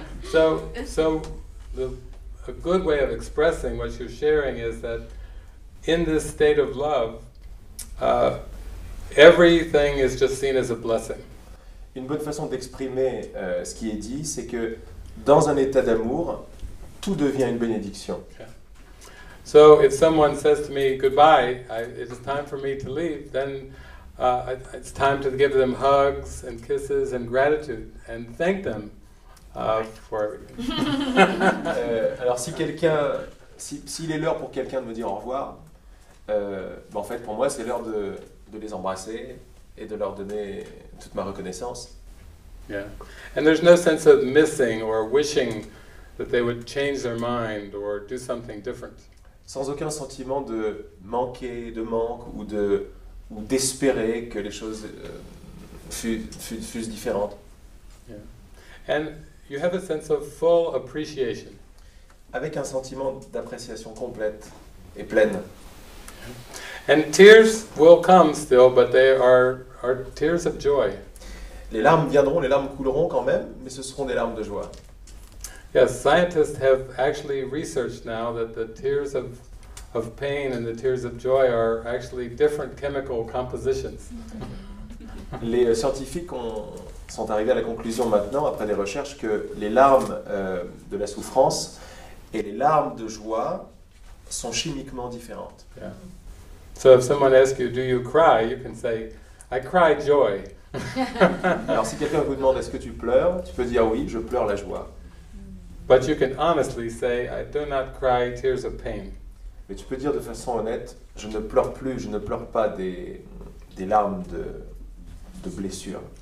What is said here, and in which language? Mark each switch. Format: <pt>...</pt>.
<en>So a good way of expressing what you're sharing is that in this state of love, everything is just seen as a blessing.</en> <fr>Une bonne façon d'exprimer ce qui est dit, c'est que dans un état d'amour, tout devient une bénédiction.</fr> <en>So if someone says to me goodbye, it's time for me to leave, then it's time to give them hugs and kisses and gratitude and thank them for everything.</en> <fr>Alors s'il est l'heure pour quelqu'un de me dire au revoir, en fait pour moi c'est l'heure de les embrasser et de leur donner toute ma reconnaissance.</fr> <en>Yeah. And there's no sense of missing or wishing that they would change their mind or do something different.</en> <fr>Sans aucun sentiment de manquer, de manque ou d'espérer que les choses fussent différentes.</fr> <en>Yeah. And you have a sense of full appreciation.</en> <fr>Avec un sentiment d'appréciation complète et pleine.</fr> <en>Yeah. And tears will come still, but they are tears of joy.</en> <fr>Les larmes viendront, les larmes couleront quand même, mais ce seront des larmes de joie.</fr> <en>Yes, scientists have actually researched now that the tears of pain and the tears of joy are actually different chemical compositions.</en> <fr>Les scientifiques sont arrivés à la conclusion maintenant, après des recherches, que les larmes de la souffrance et les larmes de joie sont chimiquement différentes.</fr> <en>Yeah. So if someone asks you, do you cry, you can say, I cry joy.</en> <fr>Alors si quelqu'un vous demande, est-ce que tu pleures, tu peux dire, oui, je pleure la joie.</fr> <en>But you can honestly say, I do not cry tears of pain.</en> <fr>Mais tu peux dire de façon honnête, je ne pleure plus, je ne pleure pas des larmes de blessure.</fr>